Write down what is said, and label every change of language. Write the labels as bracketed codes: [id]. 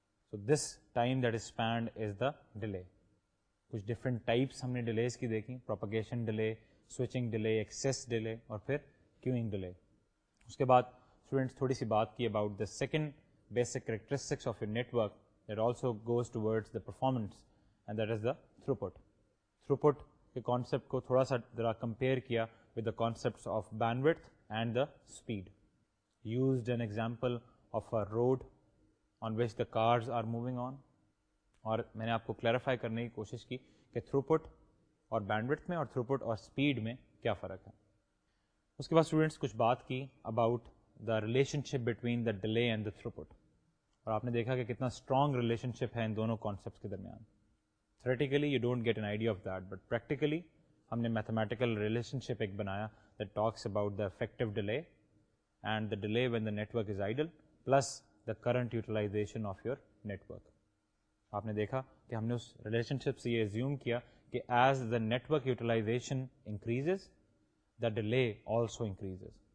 [en] So this time that is spend is the delay. [ur] کچھ different types ہم نے delays کی دیکھیں, propagation delay, switching delay, access delay اور پھر کیوئنگ ڈیلے. اس کے بعد اسٹوڈنٹس تھوڑی سی بات کی [en] About the second basic characteristics of your network that also goes towards the performance, and that is the throughput. [ur] Through پٹ کے concept کو تھوڑا سا ذرا کمپیئر کیا [en] With the concepts of bandwidth and the speed. Used an example of a road on which the cars are moving on. [ur] اور میں نے آپ کو کلیریفائی کرنے کی کوشش کی کہ تھرو پٹ اور بینڈ وڈتھ میں اور تھرو پٹ اور اسپیڈ میں کیا فرق ہے. اس کے بعد اسٹوڈنٹس کچھ بات کی [en] about the relationship between the delay and the throughput, [ur] اور آپ نے دیکھا کہ کتنا اسٹرانگ ریلیشن شپ ہے ان دونوں کانسیپٹس کے درمیان. [en] Theoretically, you don't get an idea of that, but practically, [ur] humne mathematical relationship ek banaya [en] that talks about the effective delay and the delay when the network is idle plus the current utilization of your network. [ur] Aapne dekha ki humne us relationship se ye assume kiya ki [en] as the network utilization increases, the delay also increases.